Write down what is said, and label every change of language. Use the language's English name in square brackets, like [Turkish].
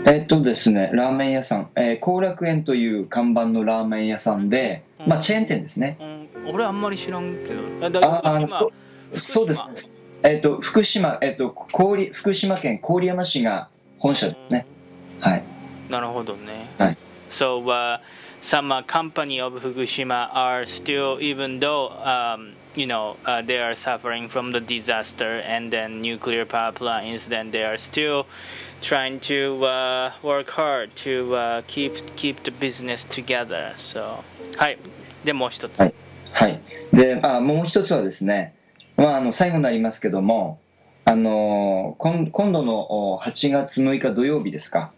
[Japanese] ですね、ラーメン屋さん、後楽園という看板のラーメン屋さんで、まあチェーン店ですね。俺あんまり知らんけど。そうです。福島、福島県郡山市が本社ですね。はい。なるほどね。はい。 [English] So, some company of Fukushima are still, even though, they are suffering from the disaster and then nuclear power plant incident, they are still trying to work hard to keep the business together. So, [Japanese] はい。で、もう一つ。はい。はい、で、もう一つはですね、まあ、最後になりますけども、今度の8月6日土曜日ですか。